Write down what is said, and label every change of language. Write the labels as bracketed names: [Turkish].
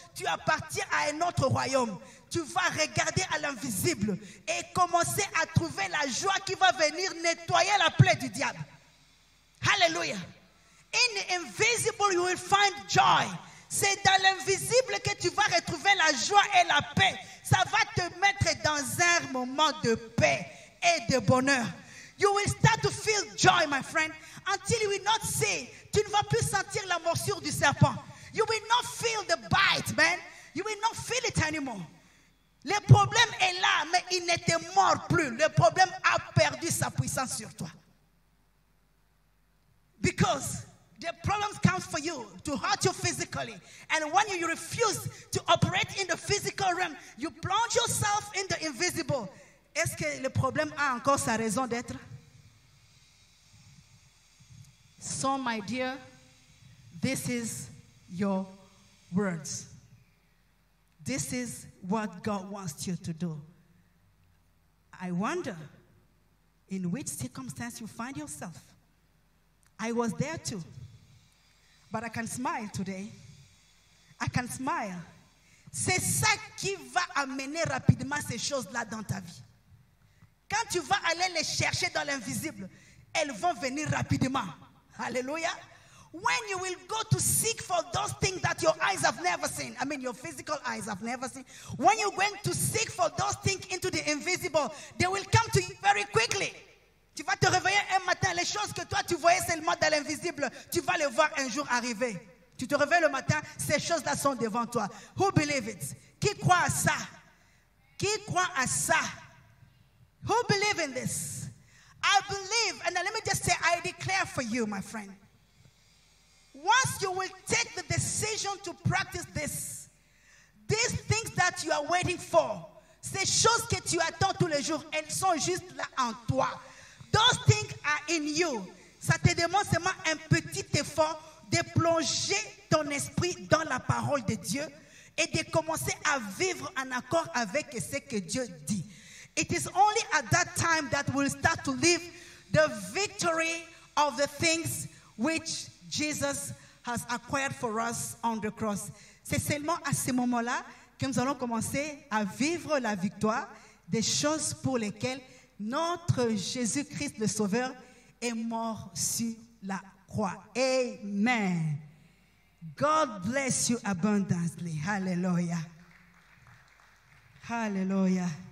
[French] Tu appartiens à un autre royaume. Tu vas regarder à l'invisible et commencer à trouver la joie qui va venir nettoyer la plaie du diable. Hallelujah. [English] In the invisible, you will find joy. [French] C'est dans l'invisible que tu vas retrouver la joie et la paix. Ça va te mettre dans un moment de paix et de bonheur. [English] You will start to feel joy, my friend. Until you will not see, [French] tu ne vas plus sentir la morsure du serpent. [English] You will not feel the bite, man. You will not feel it anymore. [French] Le problème est là, mais il n'était mort plus. Le problème a perdu sa puissance sur toi. [English] Because the problem comes for you to hurt you physically. And when you refuse to operate in the physical realm, you plunge yourself in the invisible. [French] Est-ce que le problème a encore sa raison d'être? [English] So, my dear, this is your words. This is what God wants you to do. I wonder in which circumstance you find yourself. I was there too. But I can smile today. I can smile. [French] C'est ça qui va amener rapidement ces choses-là dans ta vie. Quand tu vas aller les chercher dans l'invisible, elles vont venir rapidement. Hallelujah. [English] When you will go to seek for those things that your eyes have never seen, I mean your physical eyes have never seen, when you're going to seek for those things into the invisible, they will come to you very quickly. [French] Tu vas te réveiller un matin, les choses que toi tu voyais seulement dans l'invisible, tu vas les voir un jour arriver. Tu te réveilles le matin, ces choses-là sont devant toi. [English] Who believe it? [French] Qui croit à ça? [English] Qui croit à ça? Who believe in this? I believe, and let me just say, I declare for you, my friend. Once you will take the decision to practice this, these things that you are waiting for, [French] ces choses que tu attends tous les jours, elles sont juste là en toi. [English] Those things are in you. [French] Ça te demande seulement un petit effort de plonger ton esprit dans la parole de Dieu et de commencer à vivre en accord avec ce que Dieu dit. [English] It is only at that time that we'll start to live the victory of the things which Jesus has acquired for us on the cross. [French] C'est seulement à ce moment-là que nous allons commencer à vivre la victoire des choses pour lesquelles notre Jésus-Christ le Sauveur est mort sur la croix. [English] Amen. God bless you abundantly. Hallelujah. Hallelujah.